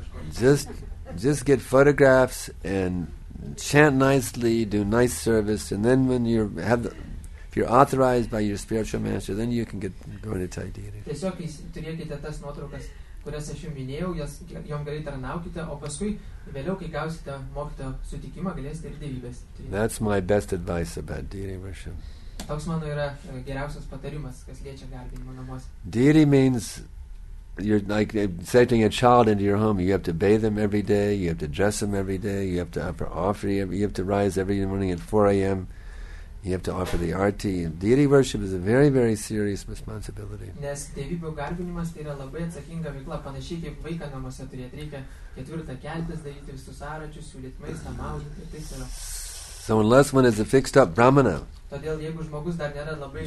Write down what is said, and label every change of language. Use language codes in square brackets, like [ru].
[en] Just get photographs and chant nicely, do nice service, and then when you have the, if you're authorized by your spiritual master, then you can get going to Thai deity. [lt] Kurias aš jums minėjau, jom gerai tarnaukite, o paskui, vėliau, kai gausite mokyto sutikimą, galėsite ir dievybės. [en] That's my best advice about deity worship. [lt] Toks mano yra geriausias patarimas, kas liečia garbinimo namuose. [en] Deity means you're like accepting a child into your home. You have to bathe them every day, you have to dress them every day, you have to offer, you have to rise every morning at 4 a.m., you have to offer the RT. Deity worship is a very, very serious responsibility. [lt] Nes dievybių garbinimas tai yra labai atsakinga veikla, panašiai kaip vaiką namuose turėti. Reikia ketvirtą keltis, daryti visus sąrašus, siūlyti maistą, maudyti, tai yra. [en] So unless one is a fixed up brahmana, [lt] todėl, jeigu žmogus dar nėra labai